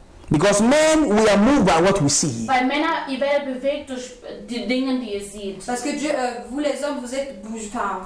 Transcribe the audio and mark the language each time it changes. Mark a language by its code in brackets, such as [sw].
[en] Because men, we are moved by what we see. [de] Weil Männer, ihr werdet bewegt durch die Dinge, die ihr seht. [fr] Parce que Dieu, vous les hommes, vous êtes bougeant.